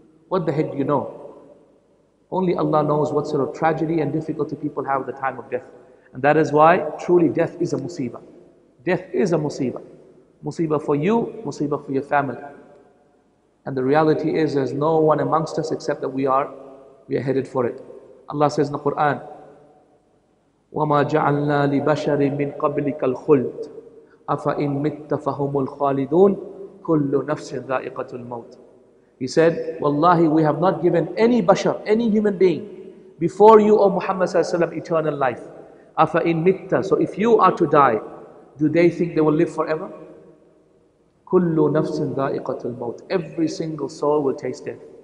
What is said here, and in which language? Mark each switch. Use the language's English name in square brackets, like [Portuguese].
[English] What the heck do you know? Only Allah knows what sort of tragedy and difficulty people have at the time of death. And that is why, truly, death is a musibah. Death is a musibah. Musibah for you, musibah for your family. And the reality is, there's no one amongst us except that we are headed for it. Allah says in the Quran, [Arabic] وَمَا جَعَلْنَا لِبَشَرٍ مِّن قَبْلِكَ الْخُلْدِ أَفَإِنْ مِتَّ فَهُمُ الْخَالِدُونَ كُلُّ نَفْسٍ ذَائِقَةُ الْمَوْتِ. [English] He said, Wallahi, we have not given any bashar, any human being, before you, O Muhammad ﷺ, eternal life. [Arabic] Afa in mitta. [English] So if you are to die, do they think they will live forever? [Arabic] Kullu nafsin dha'iqatul maut. [English] Every single soul will taste death.